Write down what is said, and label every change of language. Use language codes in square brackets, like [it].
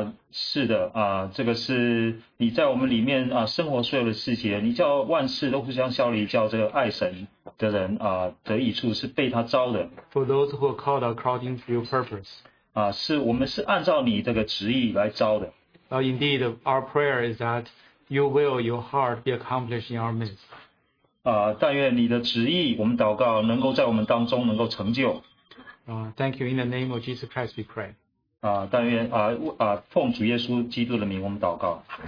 [zh] 是的，这个是你在我们里面生活所有的事情，你叫万事都互相效力，叫这个爱神的人得益处，是被他招的。 [en] For those who are called according to your purpose. [zh] 是我们是按照你这个旨意来招的。 [en] Indeed, our prayer is that your will, your heart be accomplished in our midst. [zh] 但愿你的旨意，我们祷告能够在我们当中能够成就。 [en] Thank you. In the name of Jesus Christ, we pray. [zh] 但愿奉主耶稣基督的名，我们祷告。